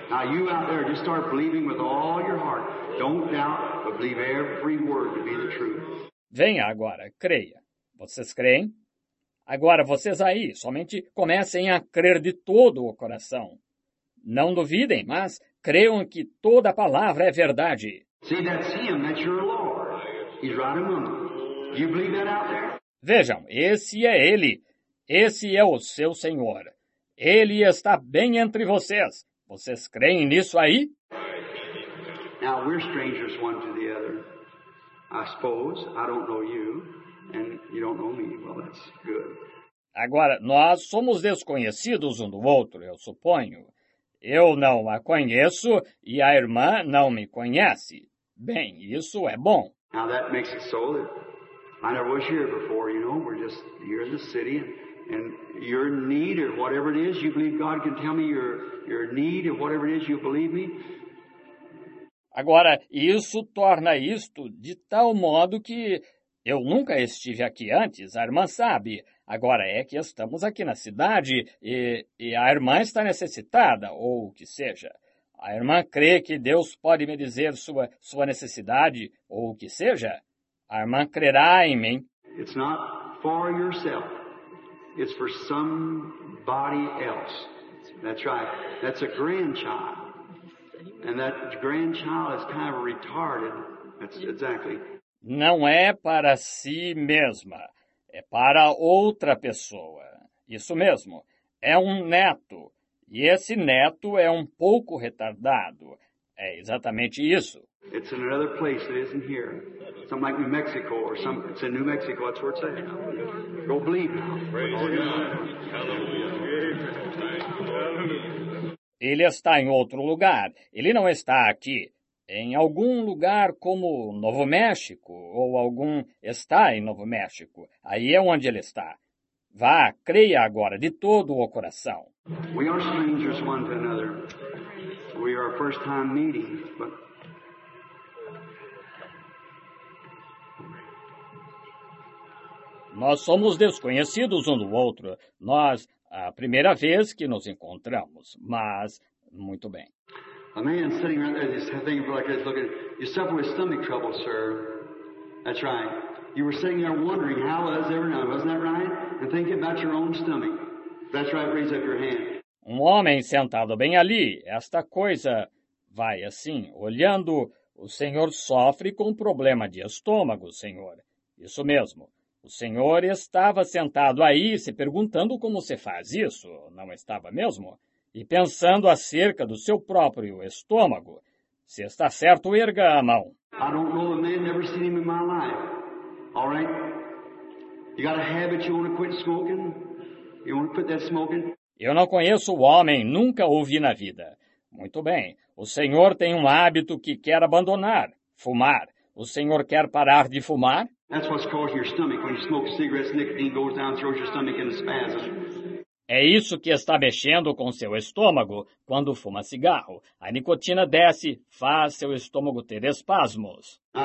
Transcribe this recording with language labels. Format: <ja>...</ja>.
<en>Now you out there, just start believing with all your heart. Don't doubt, but believe every word to be the truth.</en> <pt>Venha agora, creia. Vocês creem? Agora vocês aí, somente comecem a crer de todo o coração. Não duvidem, mas creiam que toda palavra é verdade.</pt> <en>See, that's him, that's your Lord. He's right among them. Do you believe that out there?</en> <pt>Vejam, esse é ele. Esse é o seu Senhor. Ele está bem entre vocês. Vocês creem nisso aí?</pt> <en>Now we're strangers one to the other. I suppose I don't know you. And you don't know me. Well, that's good.</en> <pt>Agora, nós somos desconhecidos um do outro, eu suponho. Eu não a conheço e a irmã não me conhece. Bem, isso é bom.</pt> <en>Now that makes it so that I never was here before, you know. We're just here in the city and your need or whatever it is, you believe God can tell me your need or whatever it is, you believe me?</en> <pt>Agora, isso torna isto de tal modo que eu nunca estive aqui antes, a irmã sabe. Agora é que estamos aqui na cidade e a irmã está necessitada, ou o que seja. A irmã crê que Deus pode me dizer sua necessidade, ou o que seja. A irmã crerá em mim.</pt> <en>It's not for yourself. It's for somebody else. That's right. That's a grandchild. And that grandchild is kind of retarded. That's exactly.</en> <pt>Não é para si mesma, é para outra pessoa. Isso mesmo, é um neto, e esse neto é um pouco retardado. É exatamente isso.</pt> <en>It's in another place that isn't here. Something like New Mexico, or some. It's in New Mexico, that's where it's at. Go believe now. Praise God. Hallelujah.</en> <pt>Ele está em outro lugar, ele não está aqui. Em algum lugar como Novo México, ou algum está em Novo México. Aí é onde ele está. Vá, creia agora de todo o coração.</pt> <en>We are strangers one to another. We are first time meeting, but</en> <pt>nós somos desconhecidos um do outro. Nós, a primeira vez que nos encontramos, mas muito bem.</pt> <en>A man sitting right there, just thinking like this, looking. You suffer with stomach trouble, sir. That's right. You were sitting there wondering how it was ever known, wasn't that right? And thinking about your own stomach. That's right. Raise up your hand.</en> <pt>Um homem sentado bem ali. Esta coisa vai assim, olhando. O senhor sofre com problema de estômago, senhor. Isso mesmo. O senhor estava sentado aí, se perguntando como se faz isso. Não estava mesmo? E pensando acerca do seu próprio estômago. Se está certo, erga a mão.</pt> <en>I don't know a man, never seen him in my life. All right? You got a habit, you want to quit smoking? You want to quit that smoking?</en> <pt>Eu não conheço o homem, nunca o vi na vida. Muito bem, o senhor tem um hábito que quer abandonar, fumar. O senhor quer parar de fumar?</pt> <en>That's what's causing your stomach. When you smoke cigarettes, nicotine goes down and throws your stomach into spasms.</en> <pt>É isso que está mexendo com seu estômago quando fuma cigarro. A nicotina desce, faz seu estômago ter espasmos.</pt>